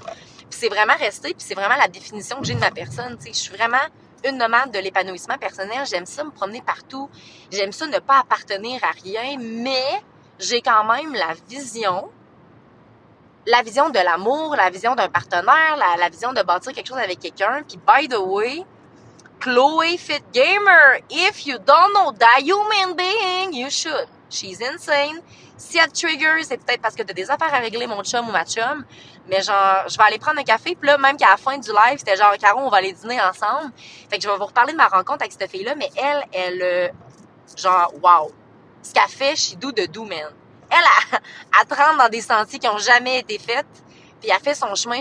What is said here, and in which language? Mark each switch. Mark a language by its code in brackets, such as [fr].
[fr] Puis c'est vraiment resté, puis c'est vraiment la définition que j'ai de ma personne, tu sais. Je suis vraiment une nomade de l'épanouissement personnel. J'aime ça me promener partout. J'aime ça ne pas appartenir à rien, mais j'ai quand même la vision de l'amour, la vision d'un partenaire, la vision de bâtir quelque chose avec quelqu'un. [en] Puis, by the way, Chloé Fit Gamer, if you don't know that human being, you should. She's insane. [fr] Si elle te trigger, c'est peut-être parce que t'as des affaires à régler, mon chum ou ma chum. Mais genre, je vais aller prendre un café. Puis là, même qu'à la fin du live, c'était genre, Caro, on va aller dîner ensemble. Fait que je vais vous reparler de ma rencontre avec cette fille-là. Mais elle, genre, wow. Ce qu'elle fait, [en] she do the do, man. [fr] Elle te rentre dans des sentiers qui ont jamais été faits. Puis elle fait son chemin.